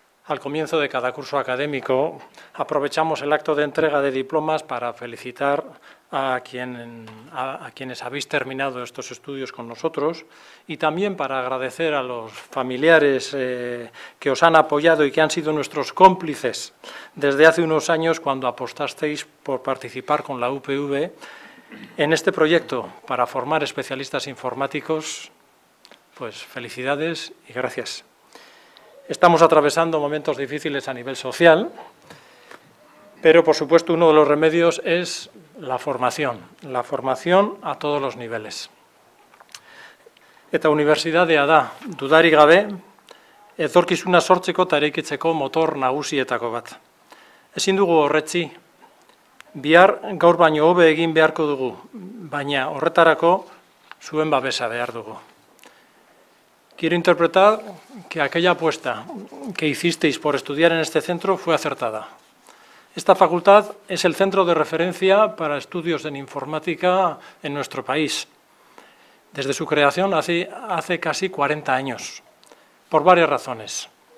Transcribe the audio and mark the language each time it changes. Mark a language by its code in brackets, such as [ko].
[es] Al comienzo de cada curso académico, aprovechamos el acto de entrega de diplomas para felicitar a quienes habéis terminado estos estudios con nosotros y también para agradecer a los familiares que os han apoyado y que han sido nuestros cómplices desde hace unos años cuando apostasteis por participar con la UPV en este proyecto para formar especialistas informáticos. Pues felicidades y gracias. Estamos atravesando momentos difíciles a nivel social, pero, por supuesto, uno de los remedios es la formación a todos los niveles. [eu] Eta unibertsitatea da, dudarik gabe, etorkizuna sortzeko eta eraikitzeko motor nagusietako bat. Ezin dugu horretzi, bihar gaur baino hobe egin beharko dugu, baina horretarako zuen babesa behar dugu. [es] Quiero interpretar que aquella apuesta que hicisteis por estudiar en este centro fue acertada. Esta facultad es el centro de referencia para estudios en informática en nuestro país, desde su creación hace casi 40 años, por varias razones.